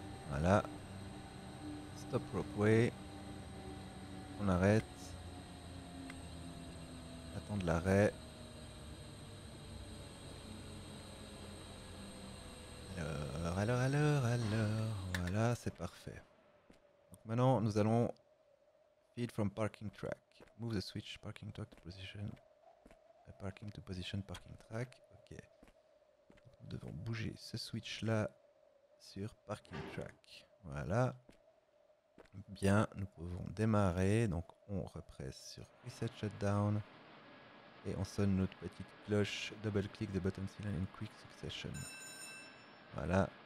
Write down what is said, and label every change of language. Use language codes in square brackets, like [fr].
[fr] Voilà. [en] Stop ropeway. [fr] On arrête. Attendre l'arrêt. Alors, voilà, c'est parfait. Donc maintenant, nous allons [en] feed from parking track. Move the switch parking track to position. Parking to position parking track. Ok. [fr] Nous devons bouger ce switch là sur parking track. Voilà. Bien, nous pouvons démarrer. Donc on represse sur reset shutdown. Et on sonne notre petite cloche. [en] Double click the button signal in quick succession. Voilà.